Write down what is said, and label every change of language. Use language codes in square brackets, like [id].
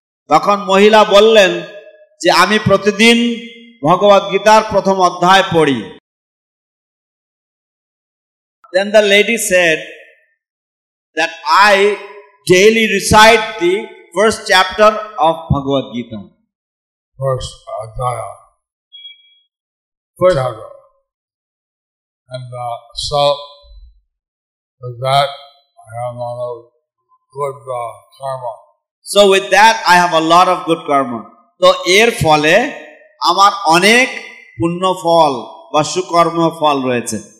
[bn] তখন মহিলা বললেন যে আমি প্রতিদিন ভগবদ গীতার প্রথম অধ্যায় পড়ি। [en] Then the lady said that I daily recite the first chapter of Bhagavad Gita. First adhyaya. First chapter. And so with that I have a lot of good karma. So with that I have a lot of good karma. [bn] So এর ফলে আমার অনেক পুণ্য ফল বা সুকর্ম ফল রয়েছে।